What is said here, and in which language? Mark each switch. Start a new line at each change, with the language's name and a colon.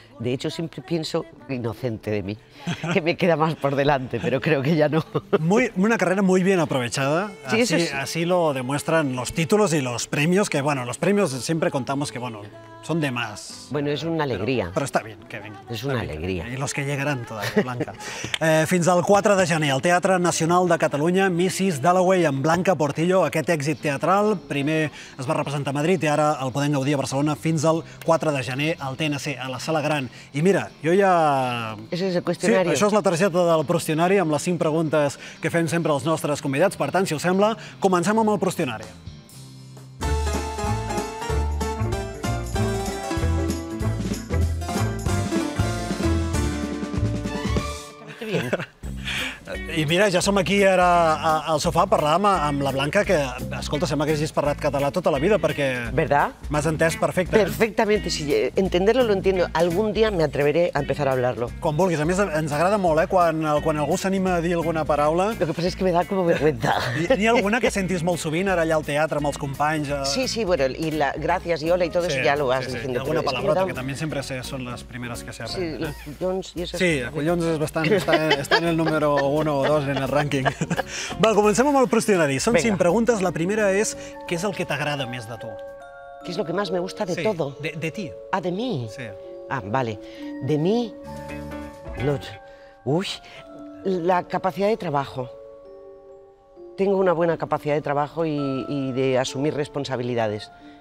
Spanish: De hecho, siempre pienso, inocente de mí, que me queda más por delante, pero creo que ya no. Una carrera muy bien aprovechada. Sí, así, así lo demuestran los títulos y los premios, que bueno, los premios siempre contamos que bueno, son de más. Bueno, es una alegría. Pero está bien, que venga. Es una alegría. Y los que llegarán todavía, Blanca.
Catalan: Fins al 4 de gener, al Teatre Nacional de Catalunya, Mrs. Dalloway amb Blanca Portillo, aquest èxit teatral. Primer es va representar a Madrid i ara el podem gaudir a Barcelona fins al 4 de gener al TNC, a la Sala Gran. I mira, jo ja... Això és el qüestionari. Sí, això és la targeta del prostionari amb les 5 preguntes que fem sempre als nostres convidats. Per tant, si us sembla, comencem amb el prostionari. I mira, ja som aquí ara al sofà, parlàvem amb la Blanca, que, escolta, sembla que hagis parlat català tota la vida, perquè...
Spanish: ¿Verdad?
Catalan: M'has entès perfecte.
Spanish: Perfectamente, si entenderlo lo entiendo, algún día me atreveré a empezar a hablarlo.
Catalan: Quan vulguis, a més ens agrada molt, eh, quan algú s'anima a dir alguna paraula...
Spanish: Lo que pasa es que me da como vergüenza.
Catalan: N'hi ha alguna que sentis molt sovint ara allà al teatre, amb els companys... Sí, sí, bueno, y la gracias y hola y todo eso ya lo vas diciendo.
Spanish: Alguna palabrota,
Catalan: que també sempre són les primeres que s'erren. Sí, collons i això... Sí, collons és bastant, està en el número 1. O dos en el rànquing. Va, comencem amb el prostionari. Són 5 preguntes. La primera és, què és el que t'agrada més de tu?
Spanish: ¿Qué es lo que más me gusta de todo? De ti. Ah, de mí. Sí. Ah, vale. De mí... Uy, la capacidad de trabajo. Tengo una buena capacidad de trabajo y de asumir responsabilidades.